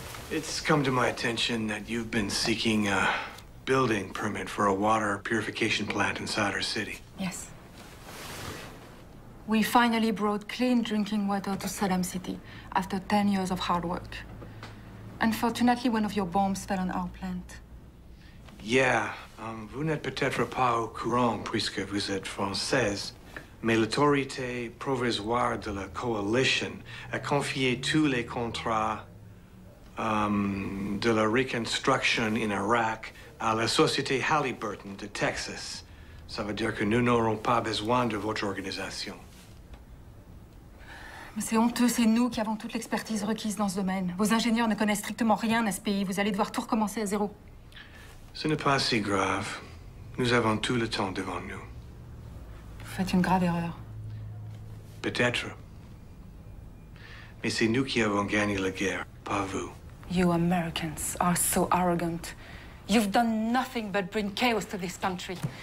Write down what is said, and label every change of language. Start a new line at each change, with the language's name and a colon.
English: It's come to my attention that you've been seeking a building permit for a water purification plant inside our city. Yes. We finally brought clean drinking water to Salem City after 10 years of hard work. Unfortunately, one of your bombs fell on our plant. Yeah.
French: Vous n'êtes peut-être pas au courant, puisque vous êtes française, mais l'autorité provisoire de la coalition a confié tous les contrats de la reconstruction en Irak à la société Halliburton de Texas. Ça veut dire que nous n'aurons pas besoin de votre organisation. Mais c'est honteux, c'est nous qui avons toute l'expertise requise dans ce domaine. Vos ingénieurs ne connaissent strictement rien à ce pays. Vous allez devoir tout recommencer à zéro. Ce n'est pas si grave. Nous avons tout le temps devant nous. Vous faites une grave erreur. Peut-être. Mais c'est nous qui avons gagné la guerre, pas vous.
English: You Americans are so arrogant. You've done nothing but bring chaos to this country.